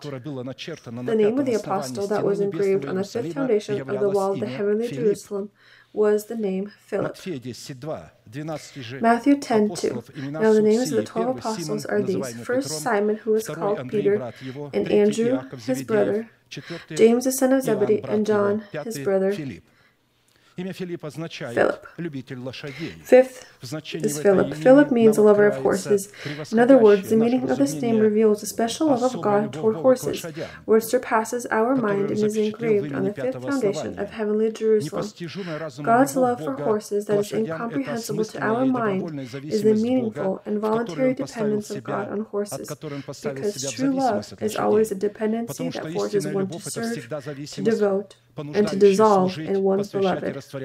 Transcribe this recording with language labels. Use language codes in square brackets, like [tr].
[en] The name of the apostle that was engraved on the fifth foundation of the wall of the heavenly Jerusalem was the name Philip. Matthew 10:2. Now the names of the 12 apostles are these: first Simon, who was called Peter, and Andrew, his brother, James the son of Zebedee, and John, his brother, [ru] Имя Филипп означает любитель лошадей. [en] Fifth is Philip. Philip means a lover of horses. In other words, the meaning of this name reveals a special love of God toward horses, where it surpasses our mind and is engraved on the fifth foundation of heavenly Jerusalem. God's love for horses that is incomprehensible to our mind is the meaningful and voluntary dependence of God on horses, because true love is always a dependency that forces one to serve, to devote, and to dissolve in one's beloved.